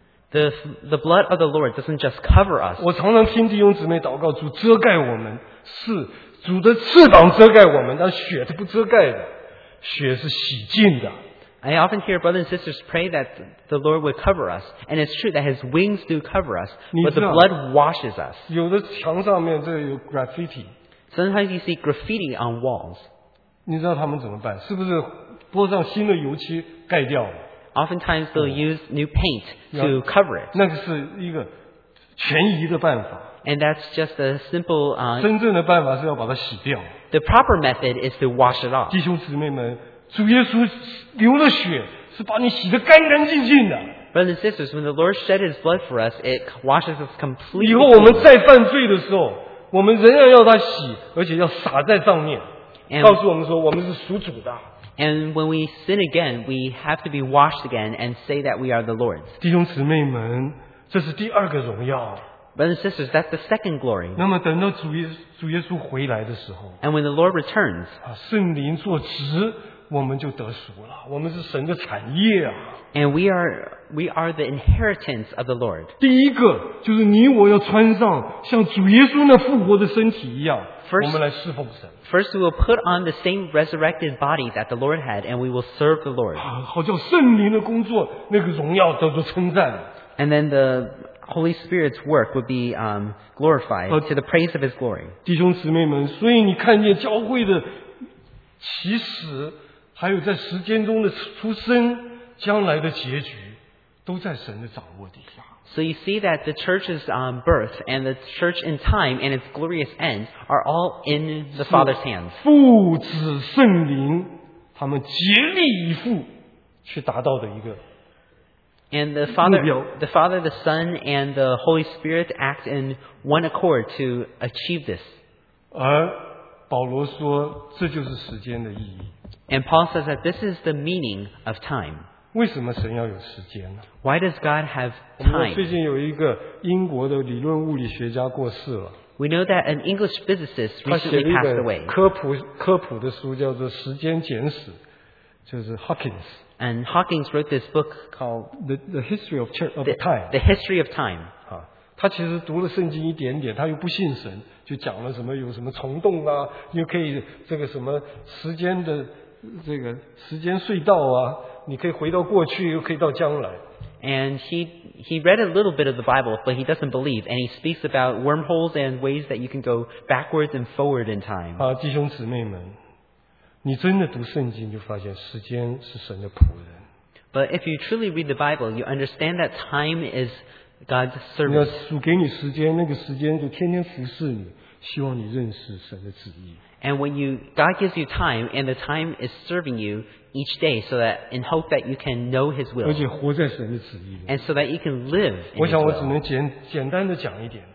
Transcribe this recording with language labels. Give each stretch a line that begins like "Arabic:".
English: The blood of the Lord doesn't just cover us.
Chinese: 我常常听弟兄姊妹祷告，主遮盖我们，是主的翅膀遮盖我们，但血是不遮盖的，血是洗净的。
English: I often hear brothers and sisters pray that the Lord would cover us, and it's true that His wings do cover us, but the blood washes us.
Chinese: 有的墙上面这有 graffiti.
English: Sometimes you see graffiti on walls.
Chinese: 你知道他们怎么办？是不是泼上新的油漆盖掉了
English: ？Oftentimes they'll use new paint to cover it.
Chinese: 那个是一个权宜的办法。
English: And that's just a simple.
Chinese: 真正的办法是要把它洗掉。
English: The proper method is to wash it off.
Chinese: 弟兄姊妹们，主耶稣流了血，是把你洗得干干净净的。
English: Brothers and sisters, when the Lord shed His blood for us, it washes us completely.
Chinese: 以后我们再犯罪的时候，我们仍然要他洗，而且要洒在上面。
English: And,
Chinese: 告诉我们说我们是属主的。
English: And when we sin again, we have to be washed again and say that we are the Lord's.
Chinese: 弟兄姊妹们，这是第二个荣耀。
English: Brothers and sisters, that's the second glory.
Chinese: 那么等到主耶稣回来的时候。
English: And when the Lord returns.
Chinese: 啊，圣灵作职，我们就得赎了。我们是神的产业啊。
English: And we are the inheritance of the Lord.
Chinese: 第一个就是你我要穿上像主耶稣那复活的身体一样。
English: First, we will put on the same resurrected body that the Lord had, and we will serve the Lord.
Chinese: 好叫圣灵的工作，那个荣耀叫做称赞。
English: And then the Holy Spirit's work would be glorified to the praise of His glory.
Chinese: 弟兄姊妹们，所以你看见教会的起始，还有在时间中的出生，将来的结局，都在神的掌握底下。
English: So you see that the church's birth and the church in time and its glorious end are all in the Father's hands.
Chinese: 父子圣灵他们竭力以赴去达到的一个目标。
English: And the Father, the Son, and the Holy Spirit act in one accord to achieve this.
Chinese: 而保罗说这就是时间的意义。
English: And Paul says that this is the meaning of time.
Chinese: 为什么神要有时间呢？
English: Why does God have time?
Chinese: 最近有一个英国的理论物理学家过世了。
English: We know that an English physicist recently passed away.
Chinese: 科普的书叫做《时间简史》，就是 Hawkins.
English: And Hawkins wrote this book called The History of Time. The History of Time.
Chinese: 他其实读了圣经一点点，他又不信神，就讲了什么有什么虫洞啊，又可以这个什么时间的这个时间隧道啊，你可以回到过去，又可以到将来。
English: And he read a little bit of the Bible, but he doesn't believe. And he speaks about wormholes and ways that you can go backwards and forward in time.
Chinese: 啊，弟兄姊妹们，你真的读圣经，就发现时间是神的仆人。
English: But if you truly read the Bible, you understand that time is God's servant.
Chinese: 要数给你时间，那个时间就天天服侍你，希望你认识神的旨意。
English: And when you God gives you time, and the time is serving you each day, so that in hope that you can know His will.
Chinese: 而且活在神的旨意。
English: And so that you can live.
Chinese: 我想我只能简单的讲一点。